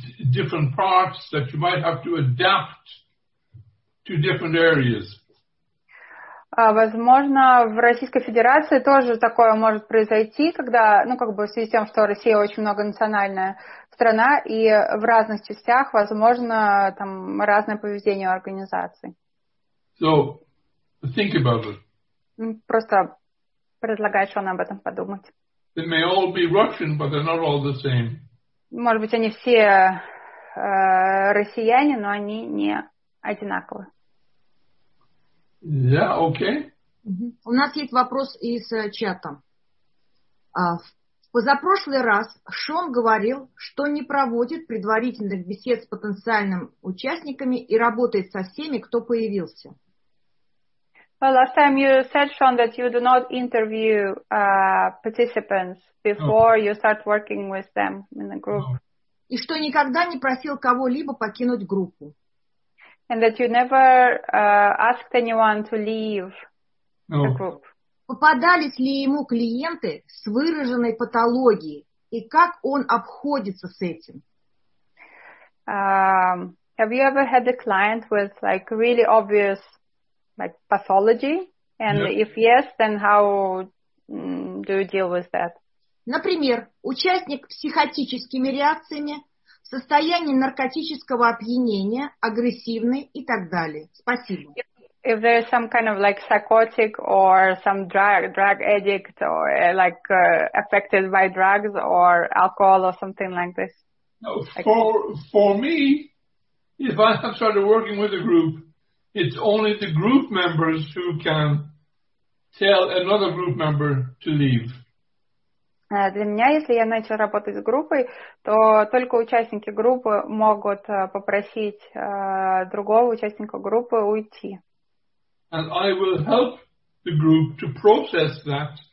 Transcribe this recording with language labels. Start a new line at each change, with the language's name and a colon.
English: different parts that you might have to adapt to different areas.
Russian: Возможно, в Российской Федерации тоже такое может произойти, когда, ну, как бы в связи с тем, что Россия очень многонациональная страна, и в разных частях, возможно, там разное поведение организаций.
English: So, think about it.
Russian: Просто предлагаю Шону об этом подумать.
English: They may all be Russian, but they're not all the same.
Russian: Может быть, они все россияне, но они не одинаковы. Да, yeah, окей.
English: Okay.
Russian: У нас есть вопрос из чата. В позапрошлый раз Шон говорил, что не проводит предварительных бесед с потенциальными участниками и работает со всеми, кто появился.
English: Well, last time you said, Sean, that you do not interview participants before you start working with them in the group.
Russian: И что никогда не просил кого-либо покинуть группу.
English: And that you never asked anyone to leave the group.
Russian: Попадались ли ему клиенты с выраженной патологией? И как он обходится с этим?
English: Have you ever had a client with like really obvious like pathology? And if yes, then how do you deal with that?
Russian: Например, участник с психотическими реакциями, в состоянии наркотического опьянения, агрессивный и так далее. Спасибо.
English: If there is some kind of like psychotic or some drug addict or like affected by drugs or alcohol or something like this. For me, if I have started working with a group, it's only the group members who can tell another group member to leave.
Russian: Для меня, если я начал работать с группой, то только участники группы могут попросить другого участника группы уйти.
English: And I will help the group to process that.